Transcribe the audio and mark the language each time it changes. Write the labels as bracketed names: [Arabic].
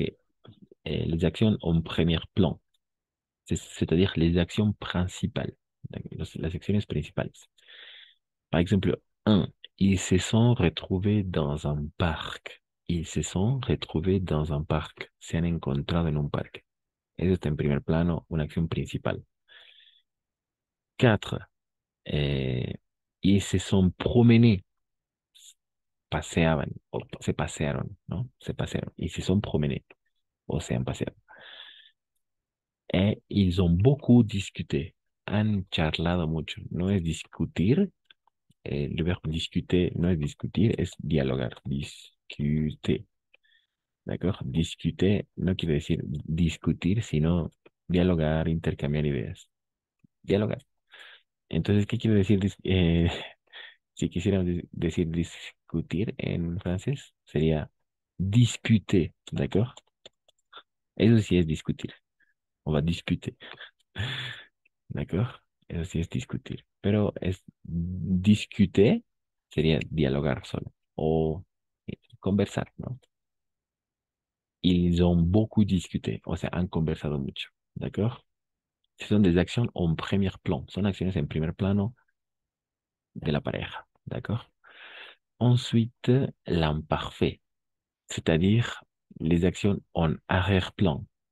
[French] Et les actions en premier plan. C'est-à-dire les actions principales. Les actions principales. Par exemple, 1. Ils se sont retrouvés dans un parc. Ils se sont retrouvés dans un parc. [Spanish] Se han encontrado en un parc. Eso está en primer plano, una acción principal. 4. [French] Ils se sont promenés. [Spanish] Paseaban, o se pasearon, ¿no? Se pasearon. [French] Ils se sont promenés, [Spanish] o se han paseado. [French] Et ils ont beaucoup discuté. [Spanish] Han charlado mucho. No es discutir. El verbo discuter no es discutir, es dialogar. [French] Discuter. D'accord? [Spanish] Discuter no quiere decir discutir, sino dialogar, intercambiar ideas. Dialogar. Entonces, ¿qué quiere decir Si quisiéramos decir discutir en francés, sería discuter, ¿d'accord? Eso sí es discutir. [French] On va discuter. [Spanish] ¿D'accord? Eso sí es discutir. Pero es discuter sería dialogar solo o conversar, ¿no? [French] Ils ont beaucoup discuté, [Spanish] o sea, han conversado mucho, ¿d'accord? [French] Ce sont des actions en premier plan, [Spanish] son acciones en primer plano de la pareja. D'accord? [French] Ensuite, l'imparfait, c'est-à-dire les actions en arrière-plan.